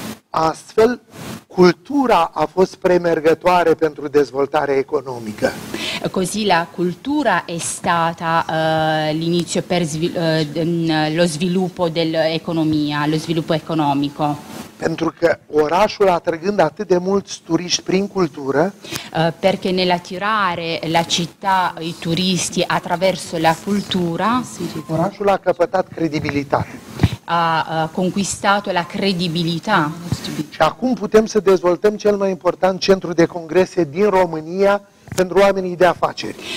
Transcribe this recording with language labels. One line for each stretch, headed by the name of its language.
Romanian: Astfel, cultura a fost premergătoare pentru dezvoltarea economică.
Italian: Così la cultura è stata l'inizio per lo sviluppo dell'economia, lo sviluppo economico.
Romanian: Pentru că orașul atrăgând atât de mulți turiști prin cultură,
Italian: perché nell'attirare la città i turisti attraverso la cultura,
Romanian: orașul a căpătat credibilitate.
Italian: Ha conquistato la credibilità.
Romanian: Și acum putem să dezvoltăm cel mai important centru de congrese din România pentru oamenii de afaceri.